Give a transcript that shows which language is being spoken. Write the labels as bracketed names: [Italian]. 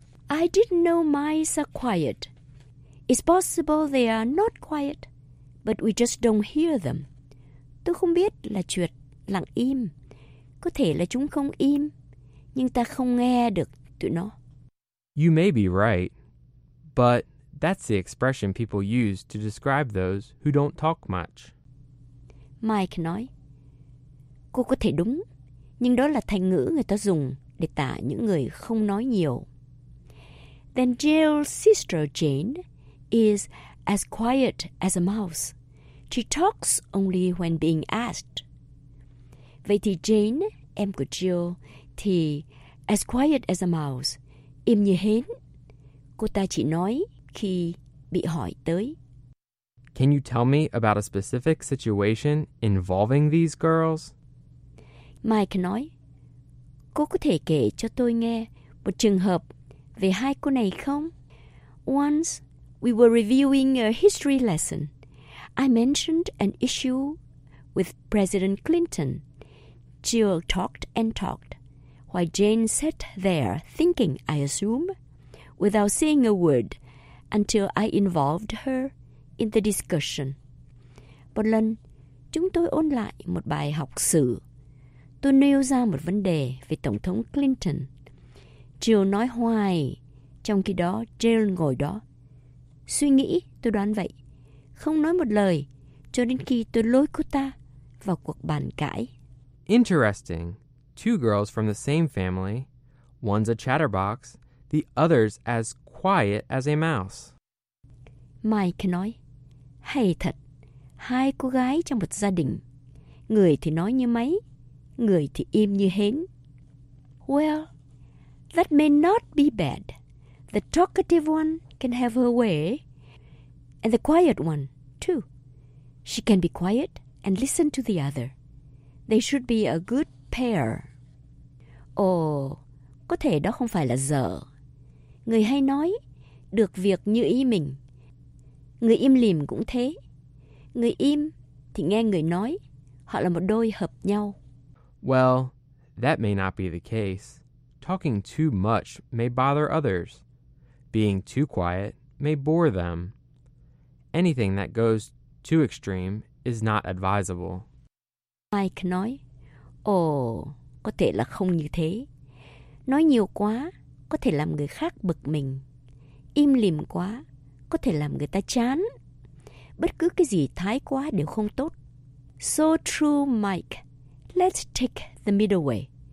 [English] I didn't know mice are quiet. It's possible they are not quiet, but we just don't hear them. [Vietnamese] Tôi không biết là chuột lặng im. Có thể là chúng không im, nhưng ta không nghe được tụi nó. [English] You may be right, but that's the expression people use to describe those who don't talk much. [Vietnamese] Mike nói, cô có thể đúng, nhưng đó là thành ngữ người ta dùng để tả những người không nói nhiều. [English] Then Jill's sister Jane is as quiet as a mouse. She talks only when being asked. [Vietnamese] Vậy thì Jane, em của Jill, thì [English] as quiet as a mouse, [Vietnamese] im như hến. Cô ta chỉ nói khi bị hỏi tới. [English] Can you tell me about a specific situation involving these girls? [Vietnamese] Mike nói, cô có thể kể cho tôi nghe một trường hợp về hai cô này không? [English] Once, we were reviewing a history lesson. I mentioned an issue with President Clinton. Jill talked and talked, while Jane sat there thinking, I assume, without saying a word, until I involved her in the discussion. [Vietnamese] Một lần, chúng tôi ôn lại một bài học sử. Tôi nêu ra một vấn đề về Tổng thống Clinton. Jill nói hoài, trong khi đó Jill ngồi đó. Suy nghĩ, tôi đoán vậy. Không nói một lời, cho đến khi tôi lôi cô ta vào cuộc bàn cãi. [English] Interesting. Two girls from the same family. One's a chatterbox, the other's as quiet as a mouse. [Vietnamese] Mike nói, hay thật. Hai cô gái trong một gia đình. Người thì nói như máy, người thì im như hến. [English] Well, that may not be bad. The talkative one can have her way, and the quiet one, too. She can be quiet and listen to the other. They should be a good pair. [Vietnamese] Ồ, có thể đó không phải là dở. Người hay nói, được việc như ý mình. Người im lìm cũng thế. Người im thì nghe người nói, họ là một đôi hợp nhau. [English] Well, that may not be the case. Talking too much may bother others. Being too quiet may bore them. Anything that goes too extreme is not advisable. [Vietnamese] Mike nói, ồ, có thể là không như thế. Nói nhiều quá có thể làm người khác bực mình. Im lìm quá có thể làm người ta chán. Bất cứ cái gì thái quá đều không tốt. [English] So true, Mike. Let's take the middle way.